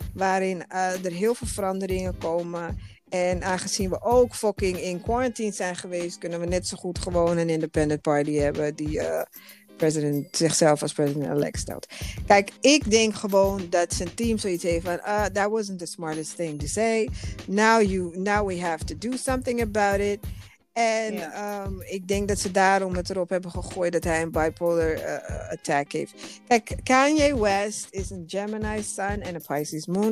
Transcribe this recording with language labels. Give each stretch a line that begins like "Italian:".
Dutch: Waarin er heel veel veranderingen komen. En aangezien we ook fucking in quarantine zijn geweest, kunnen we net zo goed gewoon een independent party hebben die president zichzelf als president-elect stelt. Kijk, ik denk gewoon dat zijn team zoiets heeft van
English: that wasn't the smartest thing to say. Now we have to do something about it.
Dutch: En ik denk dat ze daarom het erop hebben gegooid dat hij een bipolar attack heeft. Kijk, Kanye West is een Gemini sun en een Pisces moon.